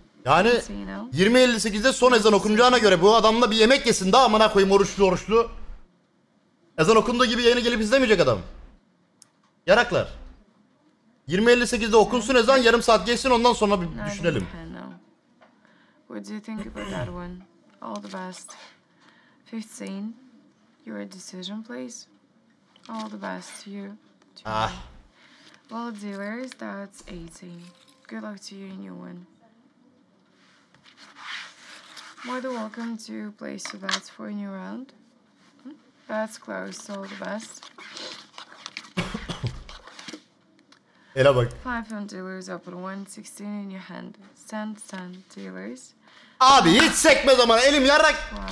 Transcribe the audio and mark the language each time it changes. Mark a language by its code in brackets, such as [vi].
[tr] Yani 20.58'de son ezan okunacağına göre bu adamla bir yemek yesin daha amına koyayım oruçlu. Ezan okunduğu gibi yayını gelip izlemeyecek adam. Yaraklar. 20.58'de okunsun ezan yarım saat geçsin ondan sonra bir düşünelim. [en] What do you think about that one? All the best. 15. Your decision please. All the best to you. Ah. Well, dealers, that's 18. Good luck to you in your win. More than welcome to place your bets for a new round. Bets closed, all the best. [tr] Hele bak. [en] 5 on dealers, upper 1, 16 in your hand. Stand, stand, dealers. [tr] Abi hiç sekmez ama elim yarrak.